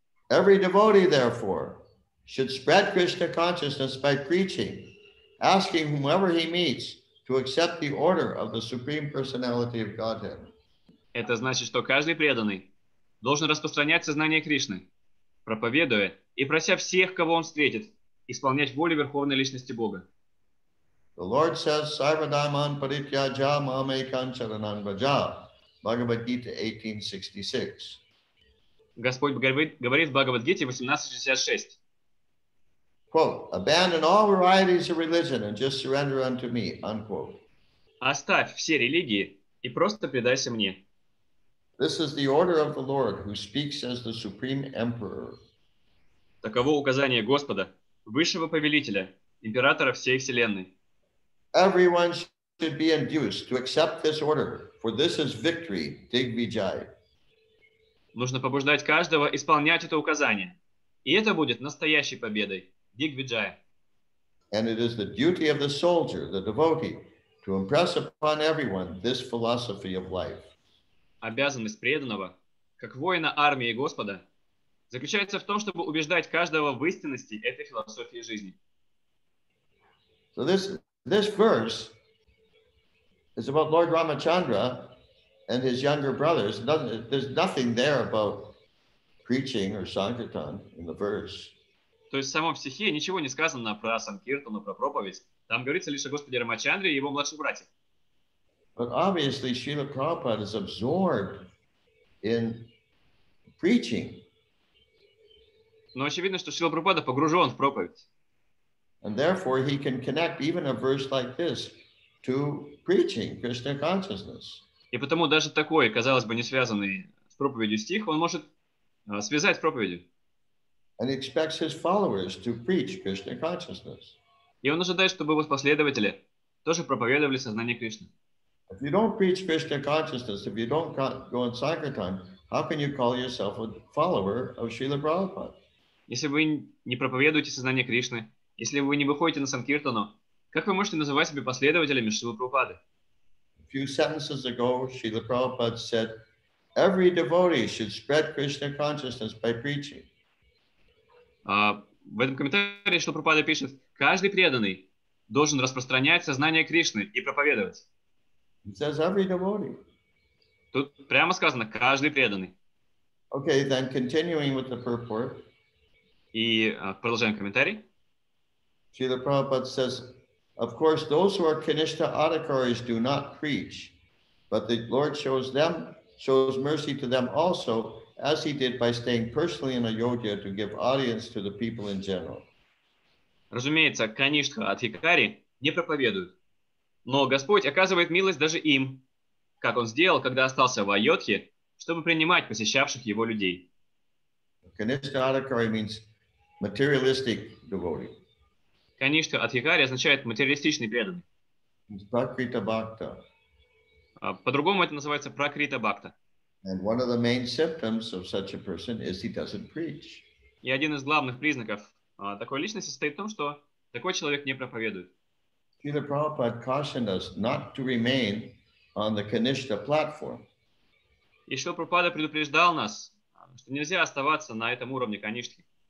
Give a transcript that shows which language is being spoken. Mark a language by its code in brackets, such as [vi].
[en] Every devotee, therefore, should spread Krishna consciousness by preaching, asking whomever he meets to accept the order of the Supreme Personality of Godhead. [ru] Это значит, что каждый преданный должен распространять сознание Кришны, проповедуя и прося всех, кого он встретит, исполнять волю Верховной Личности Бога. [en] The Lord says, [sa] Sarvadhaman parityaja mam ekam charanam vraja. [en] Bhagavad Gita 18:66. [ru] Господь говорит в Бхагавад-гите 18:66. [en] Quote, abandon all varieties of religion and just surrender unto me, unquote. [ru] Оставь все религии и просто предайся мне. [en] This is the order of the Lord who speaks as the Supreme Emperor. [ru] Таково указание Господа, высшего повелителя, императора всей вселенной. [en] Everyone should be induced to accept this order, for this is victory, Digvijay. [ru] Нужно побуждать каждого исполнять это указание, и это будет настоящей победой, Digvijay. [en] And it is the duty of the soldier, the devotee, to impress upon everyone this philosophy of life. [ru] Обязанность преданного, как воина армии Господа, заключается в том, чтобы убеждать каждого в истинности этой философии жизни. [en] So this verse is about Lord Ramachandra and his younger brothers. There's nothing there about preaching or sankirtan in the verse. [ru] То есть в самом стихе ничего не сказано про санкиртану, про проповедь. Там говорится лишь о Господе Рамачандре и его младших братьях. [en] But obviously Srila Prabhupada is absorbed in preaching. [ru] Но очевидно, что Шрила Прабхупада погружен в проповедь. [en] And therefore he can connect even a verse like this to preaching Krishna consciousness. [ru] И потому даже такой, казалось бы, не связанный с проповедью стих, он может связать с проповедью. [en] And he expects his followers to preach Krishna consciousness. [ru] И он ожидает, чтобы его последователи тоже проповедовали сознание Кришны. [en] If you don't preach Krishna consciousness, if you don't go in sankirtan, how can you call yourself a follower of Srila Prabhupada? [ru] Если вы не проповедуете сознание Кришны, если вы не выходите на санкиртану, как вы можете называть себя последователями Шрилы Прабхупады? [en] A few sentences ago, Srila Prabhupada said, every devotee should spread Krishna consciousness by preaching. [ru] В этом комментарии Шрила Прабхупада пишет, каждый преданный должен распространять сознание Кришны и проповедовать. [en] He says, every devotee. [ru] Тут прямо сказано, каждый преданный. [en] Okay, then continuing with the purport. [ru] И продолжаем комментарий. [en] Srila Prabhupada says, of course, those who are Kanishtha Adhikaris do not preach, but the Lord shows them, shows mercy to them also, as he did by staying personally in Ayodhya to give audience to the people in general. [ru] Разумеется, Канишха Адхикари не проповедуют. Но Господь оказывает милость даже им, как он сделал, когда остался в Айодхе, чтобы принимать посещавших его людей. [en] Канишха Адхикари means materialistic devotee. [ru] Канишха Адхикари означает материалистичный преданный. Пракрита Бхакта. По-другому это называется Пракрита Бхакта. [en] And one of the main symptoms of such a person is he doesn't preach. [ru] И один из главных признаков такой личности состоит в том, что такой человек не проповедует. [en] Srila Prabhupada cautioned us not to remain on the Kanishtha platform. [ru] И Шрила Прабхупада предупреждал нас, что нельзя оставаться на этом уровне Канишки.